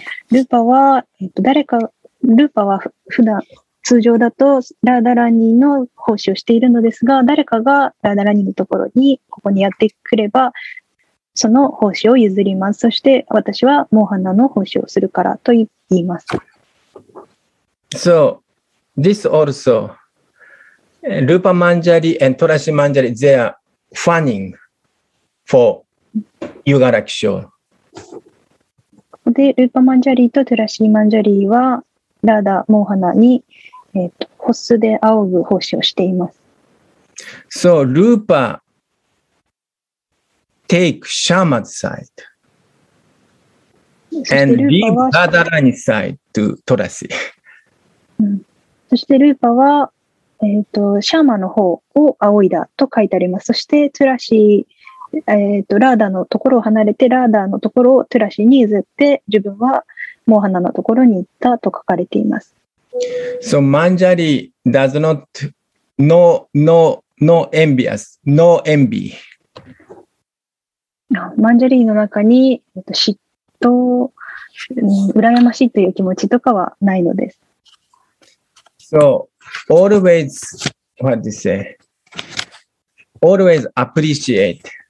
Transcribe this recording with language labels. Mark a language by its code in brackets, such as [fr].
[ja] Rupa は、誰か、Rupa は普段、通常だとラーダラニーの奉仕をしているのですが、誰かがラーダラニーのところに、ここにやってくれば、その奉仕を譲ります。そして私はモーハナの奉仕をするからと言います。 [en] So, this also, Rupa Manjari and Trashi Manjari, they are fanning for Yuga Rakshya. [ja] ここで Rupa Manjari と Trashi Manjari はラーダ・モーハナに、ホッスで仰ぐ奉仕をしています。 [en] So, Rupa,Take Sharma's side and leave Radharani's side to Trashi. [ja] そしてルーパは、シャーマの方を仰いだと書いてあります。そしてトラシー、ラーダのところを離れてラーダのところをトラシーに譲って自分はモーハナのところに行ったと書かれています。 [en] So Manjari does not no envious, no envy. [ja] マンジャリーの中に、嫉妬、羨ましいという気持ちとかはないのです。 [en] So, always, what do you say? Always appreciate.